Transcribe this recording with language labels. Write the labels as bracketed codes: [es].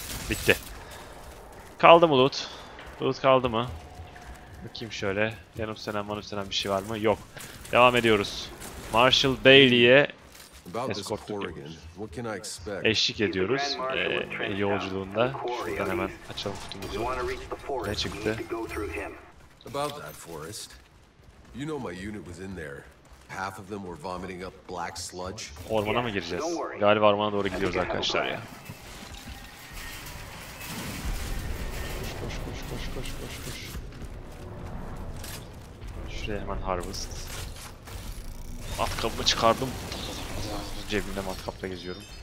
[tr] Bitti. Kaldı mı loot? Loot kaldı mı? Bakayım şöyle. Yanıp sönen, manıp sönen bir şey var mı? Yok. Devam ediyoruz. Marshall Bailey'ye eskortluk ediyoruz. Eşlik ediyoruz yolculuğunda. Şuradan hemen açalım kutumuzu. Ne çıktı? [en] About that forest. You know my unit was in there. Half of them were vomiting up black sludge. [tr] Ormana mı gireceğiz? Galiba ormana doğru gidiyoruz arkadaşlar ya. Koş koş koş koş koş koş koş. Şuraya hemen harvest. Matkabımı çıkardım. Cebimde matkapla geziyorum.